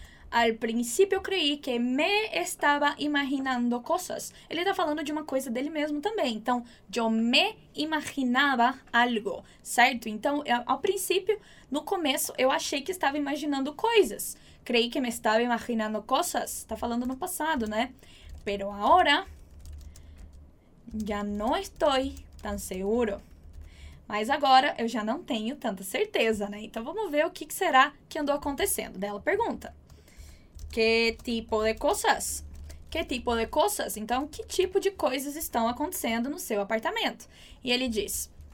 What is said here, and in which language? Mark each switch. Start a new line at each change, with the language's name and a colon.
Spanish: Al principio creí que me estaba imaginando cosas.
Portuguese: Ele está falando de uma coisa dele mesmo também. Então,
Spanish: yo me imaginaba algo,
Portuguese: certo? Então, ao princípio, no começo, eu achei que estava imaginando coisas.
Spanish: Creí que me estaba imaginando cosas.
Portuguese: Está falando no passado, né?
Spanish: Pero ahora, ya no estoy tan seguro.
Portuguese: Mas agora eu já não tenho tanta certeza, né? Então vamos ver o que será que andou acontecendo. Daí ela pergunta. Que tipo de coisas? Que tipo de coisas? Então, que tipo de coisas estão acontecendo no seu apartamento? E ele diz.